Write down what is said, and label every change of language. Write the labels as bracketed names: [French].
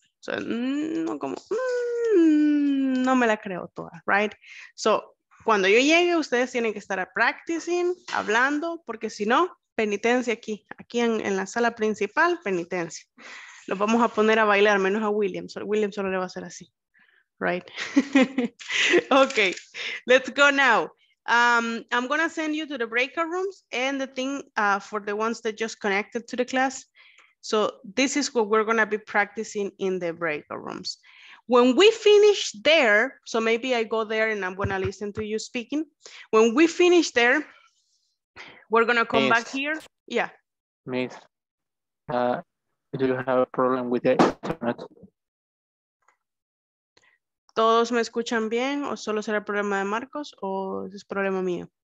[Spanish] So, no como, no me la creo toda, right? So, cuando yo llegue, ustedes tienen que estar practicing, hablando, porque si no, penitencia aquí, aquí en la sala principal, penitencia. Los vamos a poner a bailar, menos a William. William solo le va a hacer así, right? [English] Okay, let's go now. I'm gonna send you to the breakout rooms and the thing for the ones that just connected to the class. So this is what we're gonna be practicing in the breakout rooms. When we finish there, so maybe I go there and I'm gonna listen to you speaking. When we finish there, we're gonna come back here. Yeah. Miss, do you have a problem with the internet? [Spanish] ¿Todos me escuchan bien o solo será el problema de Marcos o es problema mío?